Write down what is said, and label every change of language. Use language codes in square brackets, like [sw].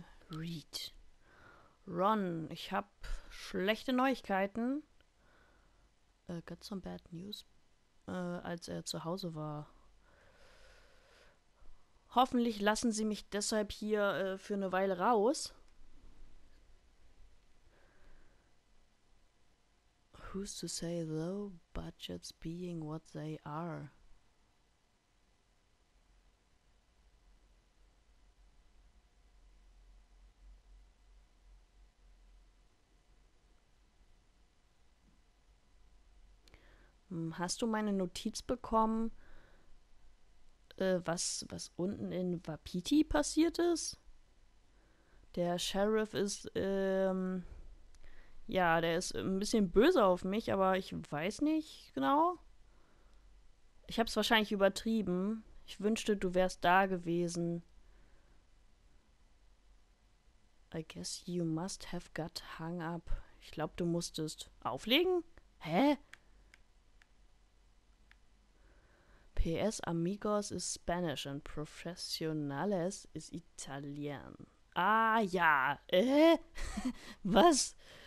[de] Reed. Ron, ich habe schlechte Neuigkeiten. [en] Got some bad news. [de] Als er zu Hause war. Hoffentlich lassen Sie mich deshalb hier für eine Weile raus. [en] Who's to say, though, budgets being what they are? [de] Hast du meine Notiz bekommen, was unten in Wapiti passiert ist? Der Sheriff ist, ja, der ist ein bisschen böse auf mich, aber ich weiß nicht genau. Ich hab's wahrscheinlich übertrieben. Ich wünschte, du wärst da gewesen. [en] I guess you must have got hung up. [de] Ich glaube, du musstest auflegen? Hä? [en] PS Amigos is Spanish and Profesionales is Italien. [de] Ah ja. Was?